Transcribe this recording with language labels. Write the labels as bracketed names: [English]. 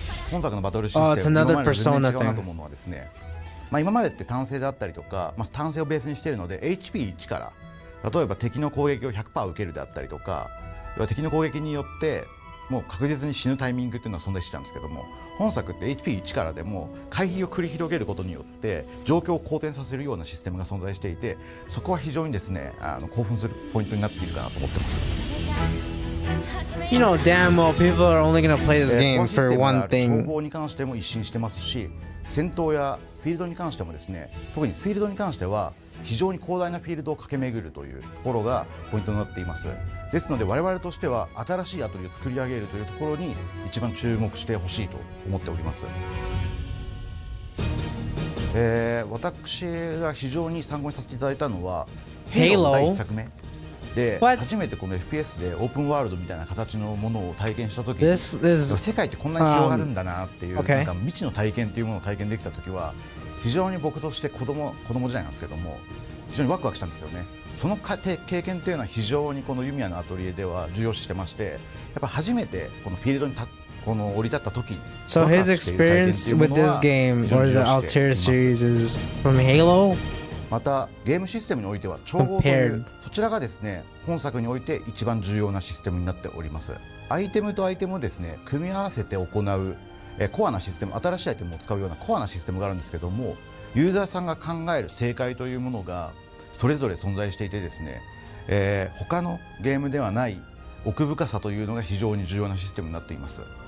[Japanese] 本作のバトルシステム、今までと全然違うなと思うのはですね、今までって単性であったりとか、単性をベースにしているので HP1 から、例えば敵の攻撃を 100% 受けるであったりとか、要は敵の攻撃によってもう確実に死ぬタイミングっていうのは存在してたんですけども、本作って HP1 からでも回避を繰り広げることによって状況を好転させるようなシステムが存在していて、そこは非常にですね、興奮するポイントになっているかなと思ってます。 [English] You know damn well people are only gonna play this game for one thing. [Japanese] 調合に関しても一新してますし、戦闘やフィールドに関してもですね、特にフィールドに関しては非常に広大なフィールドを駆け巡るというところがポイントになっています。ですので我々としては新しいアトリエを作り上げるというところに一番注目してほしいと思っております。私が非常に参考にさせていただいたのは Halo 第1作目で、初めてこの FPS でオープンワールドみたいな形のものを体験したときに、世界ってこんなに広がるんだなっていう、なんか未知の体験っていうものを体験できたときは、非常に僕として子供時代なんですけども、非常にワクワクしたんですよね。その経験っていうのは非常にこのユミヤのアトリエでは重要視してまして、やっぱ初めてこのフィールドにこの降り立った時。 [English] So his experience with this game or the Altair series is from Halo? [Japanese] またゲームシステムにおいては調合というそちらがですね本作において一番重要なシステムになっております。アイテムとアイテムをですね組み合わせて行うコアなシステム、新しいアイテムを使うようなコアなシステムがあるんですけども、ユーザーさんが考える正解というものがそれぞれ存在していてですね、他のゲームではない奥深さというのが非常に重要なシステムになっています。